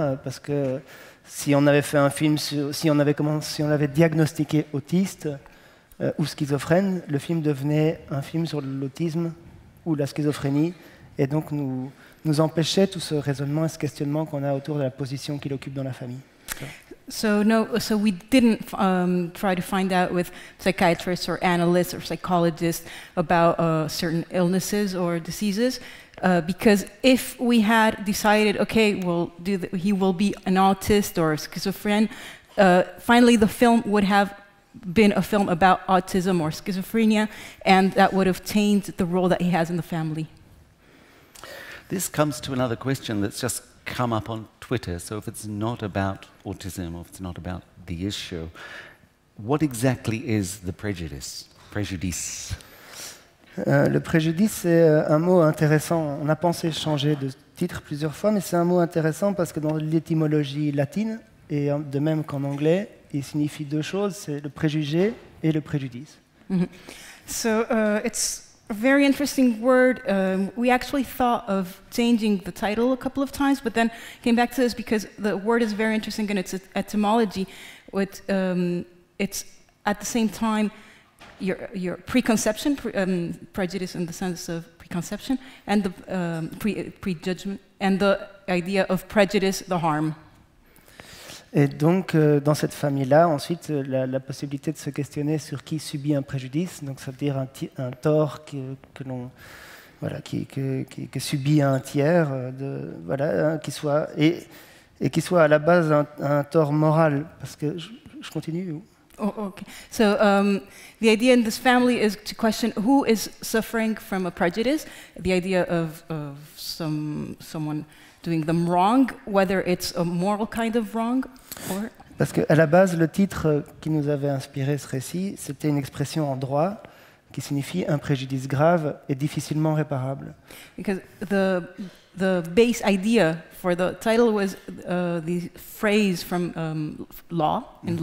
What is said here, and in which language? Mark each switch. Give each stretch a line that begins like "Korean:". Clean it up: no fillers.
French: Parce que si on avait fait un film sur, si on avait diagnostiqué autiste ou schizophrène, le film devenait un film sur l'autisme ou la schizophrénie, et donc nous empêchait tout ce raisonnement et ce questionnement qu'on a autour de la position qu'il occupe dans la famille.
English: So we didn't try to find out with psychiatrists or analysts or psychologists about certain illnesses or diseases. Because if we had decided, okay, we'll do he will be an autist or a schizophrenic, finally the film would have been a film about autism or schizophrenia, and that would have tainted the role that he has in the family. This comes to another question that's just come up on Twitter. So if it's not about autism, or if it's not about the issue, what exactly is the prejudice? Prejudice.
French: Le préjudice, c'est un mot intéressant. On a pensé changer de titre plusieurs fois, mais c'est un mot intéressant parce que dans l'étymologie latine, et de même qu'en anglais, il signifie deux choses, c'est le préjugé et le préjudice.
English: Mm-hmm. So, it's a very interesting word. We actually thought of changing the title a couple of times, but then came back to this because the word is very interesting in its etymology. It's at the same time your preconception, prejudice in the sense of preconception, and the prejudgment, and the idea of prejudice, the harm.
French: Et donc, dans cette famille-là, ensuite, la possibilité de se questionner sur qui subit un préjudice, donc ça veut dire un tort que l'on, voilà, qui subit un tiers, de, voilà, hein, qui soit, et qui soit à la base un tort moral, parce que je continue.
English: Oh, okay. So the idea in this family is to question who is suffering from a prejudice, the idea of someone doing them wrong, whether it's a moral kind of wrong, or...
French: Parce qu'à la base, le titre qui nous avait inspiré ce récit, c'était une expression en droit qui signifie un préjudice grave et difficilement réparable.
English: Because the base idea for the title was the phrase from law, in mm-hmm.